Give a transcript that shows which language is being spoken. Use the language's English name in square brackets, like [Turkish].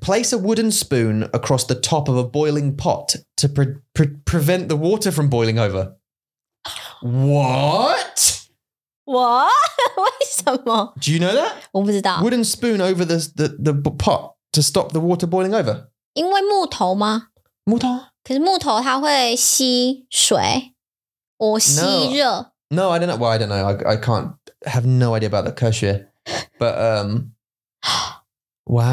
[English] Place a wooden spoon across the top of a boiling pot to prevent the water from boiling over. What? What? [Chinese] 为什么? [English] Do you know that? [Chinese] 我不知道。 [English] Wooden spoon over the pot to stop the water boiling over. [Chinese] 因为木头吗? 木头可是木头它会吸水或吸热。 [English] No, I don't know. Well, I don't know. I can't have no idea about the 科学 But, wow.